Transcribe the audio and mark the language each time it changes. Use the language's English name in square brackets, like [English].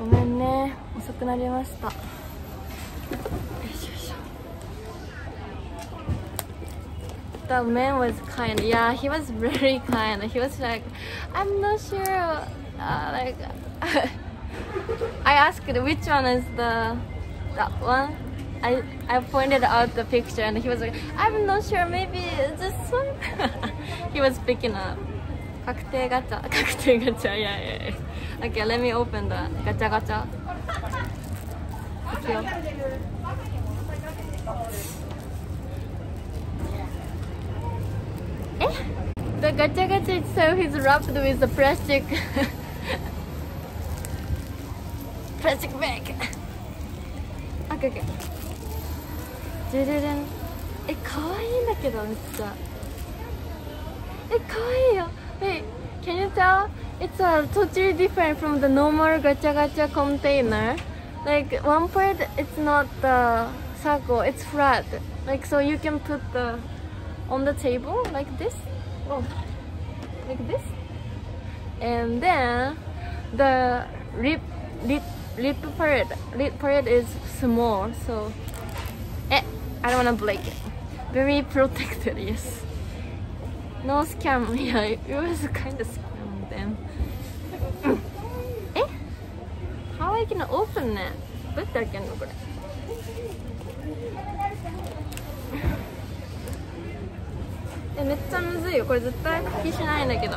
[Japanese] ごめんね、遅くなりました。 [English] The man was kind. Yeah, he was very kind. He was like, I'm not sure I asked which one is the that one. I pointed out the picture and he was like, I'm not sure, maybe this one. He was picking up. [Japanese] 確定ガチャ。確定ガチャ。 [English] Yeah. Okay, let me open the ガチャガチャ。 [Japanese] 行くよ。 [English] The gacha gacha itself is wrapped with a plastic plastic bag. Okay, okay. Dududun. [Japanese] え、かわいいんだけど、めっちゃ。え、かわいいよ。 [English] Hey, can you tell? It's a totally different from the normal gacha gacha container. Like, one part, it's not the circle, it's flat. Like, so you can put the on the table like this. Oh, like this, and then the lip part is small, so I don't want to break it. Very protected, yes. No scam, yeah, it was kind of scam then. How I can open it? [Japanese] どうやって開けるのこれ。え、めっちゃむずいよ。これ絶対復帰しないんだけど。